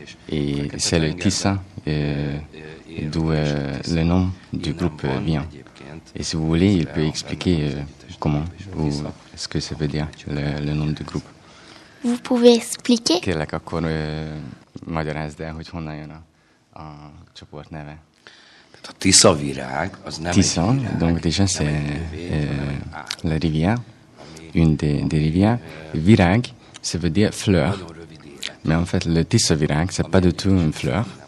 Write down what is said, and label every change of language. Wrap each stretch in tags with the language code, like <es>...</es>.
<fr>Et c'est le Tisza d'où le nom du groupe vient. Et si vous voulez, il peut expliquer comment ou ce que ça veut dire, le nom du groupe. Vous pouvez expliquer ?</fr> <hu>Magyarázd el, hogy honnan jön a csoport neve. Tehát a Tisza virág, az nem Tisza, egy virág.</hu> <fr>Donc déjà c'est la rivière, une des rivières. Virág, ça veut dire fleur. Mais en fait, le Tisza virág, c'est pas du tout une fleur.</fr>